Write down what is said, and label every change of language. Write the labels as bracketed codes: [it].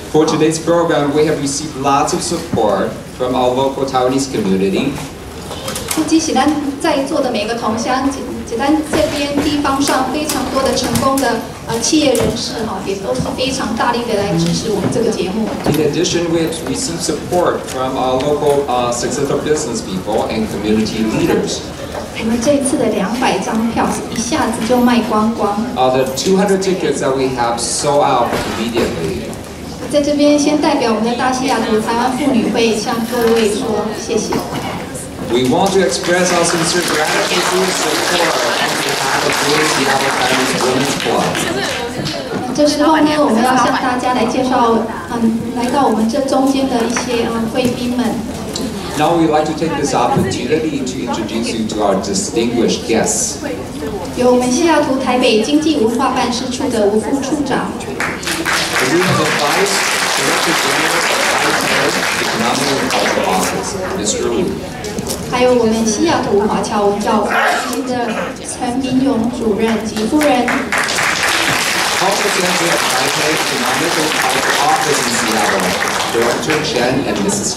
[en] For today's program, we have received lots of support from our local Taiwanese community. [zh] 即使咱在座的每一个同乡，即咱这边地方上非常多的成功的企业人士吼，也都是非常大力的来支持我们这个节目。 [en] In addition, we have received support from our local successful business people and community leaders. [zh] 你们这一次的200张票一下子就卖光光了。 [en] The 200 tickets that we have sold out immediately. [zh] 在这边先代表我们的大西雅图台湾妇女会向各位说谢谢。 [en] We want to express our sincere gratitude to you so far on behalf of the Seattle Times Women's Club. [zh] 这时候呢，我们要向大家来介绍，来到我们这中间的一些贵宾们。 [en] Now we'd like to take this opportunity to introduce you to our distinguished guests. [zh] 有我们西雅图台北经济文化办事处的吴副处长。 [en] We have the Vice Director General of the Economic and Cultural Office, Ms. Ru. [zh] 还有我们西雅图华侨文教中心的陈明勇主任及夫人。 [en] Also stands here at Taipei Economic and Cultural Office in Seattle, Director Chen and Mrs.